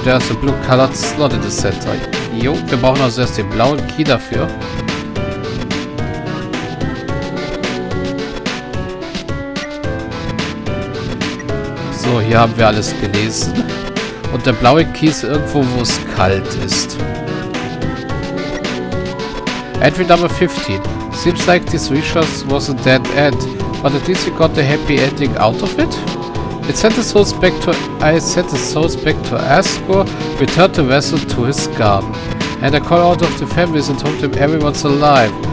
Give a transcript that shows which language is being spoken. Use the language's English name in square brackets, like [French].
[English] There's a blue colored slot in the center. [German] Jo, wir brauchen also erst den blauen Key dafür. So, hier haben wir alles gelesen. Und der blaue Key ist irgendwo, wo es kalt ist. [English] Entry number 15. Seems like this research was a dead end, but at least we got the happy ending out of it. I sent the souls back to Asgore, returned the vessel to his garden. And I called out of the families and told them everyone's alive.